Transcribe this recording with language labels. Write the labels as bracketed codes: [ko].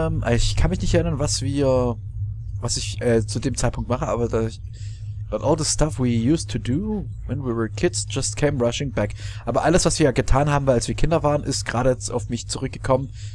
[de] ich kann mich nicht erinnern, was ich zu dem Zeitpunkt mache, aber da ich... [en] But all the stuff we used to do when we were kids just came rushing back. [de] Aber alles, was wir getan haben, als wir Kinder waren, ist gerade auf mich zurückgekommen.